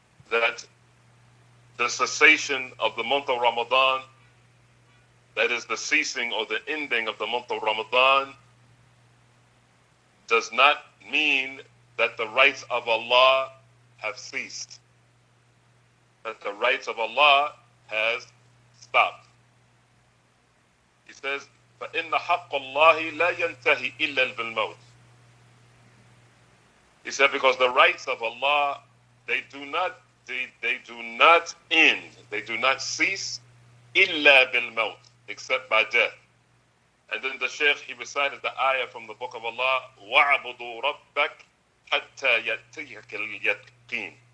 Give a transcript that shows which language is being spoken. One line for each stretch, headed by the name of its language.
English: That the cessation of the month of Ramadan, that is the ceasing or the ending of the month of Ramadan, does not mean that the rights of Allah have ceased. That the rights of Allah has stopped. He says,
Arabic: فَإِنَّ حَقَّ اللَّهِ لَا يَنْتَهِ إِلَّا بِالْمَوْتِ.
English: He said, because the rights of Allah, they do not end, they do not cease,
Arabic: إِلَّا بِالْمَوْتِ,
English: except by death. And then the Shaykh, he recited the ayah from the book of Allah,
Arabic: وَعَبُدُوا رَبَّكَ حَتَّى يَتِيَكَ الْيَقِينَ.